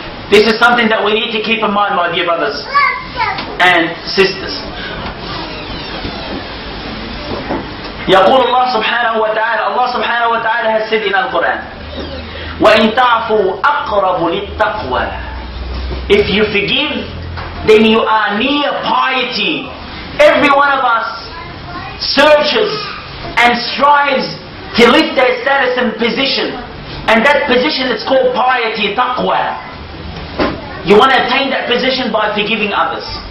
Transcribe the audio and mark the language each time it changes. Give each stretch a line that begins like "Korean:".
English: This is something that we need to keep in mind, my dear brothers and sisters.
Arabic: يقول الله سبحانه وتعالى الله سبحانه وتعالى
English: has said in Al-Quran,
Arabic: وَإِن تَعْفُوا أَقْرَبُ لِلتَّقْوَى.
English: If you forgive, then you are near piety. Every one of us searches and strives to lift their status and position. And that position is called piety, taqwa. You want to attain that position by forgiving others.